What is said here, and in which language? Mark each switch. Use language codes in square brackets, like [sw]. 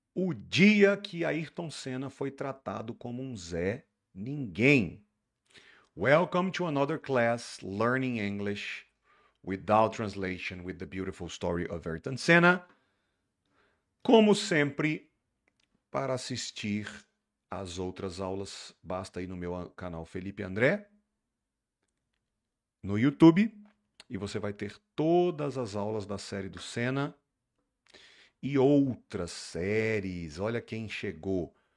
[pt] O dia que Ayrton Senna foi tratado como um Zé ninguém. [en] Welcome to another class learning English without translation with the beautiful story of Ayrton Senna. [pt] Como sempre, para assistir às outras aulas, basta ir no meu canal Felipe André no YouTube e você vai ter todas as aulas da série do Senna. E outras séries. Olha quem chegou.